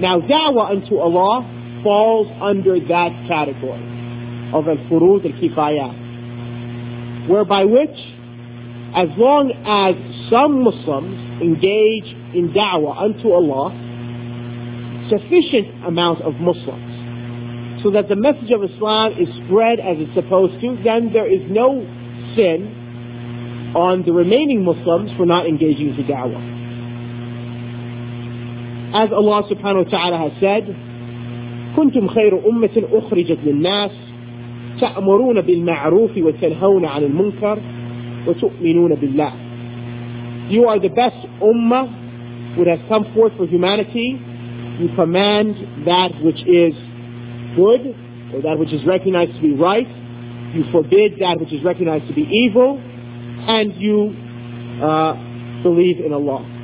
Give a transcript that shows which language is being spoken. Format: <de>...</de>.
<en>Now, da'wah unto Allah falls under that category of al-furud al-kifayah, whereby which, as long as some Muslims engage in da'wah unto Allah, sufficient amount of Muslims, so that the message of Islam is spread as it's supposed to, then there is no sin on the remaining Muslims for not engaging in da'wah. As Allah subhanahu wa ta'ala has said,</en> <ar>كُنْتُمْ خَيْرُ أُمَّةٍ أُخْرِجَتْ لِلنَّاسِ تَأْمُرُونَ بِالْمَعْرُوفِ وَتَنْهَوْنَ عَنِ الْمُنْكَرِ وَتُؤْمِنُونَ بِاللَّهِ.</ar> <en>You are the best ummah which has come forth for humanity. You command that which is good, or that which is recognized to be right. You forbid that which is recognized to be evil. And you believe in Allah.</en>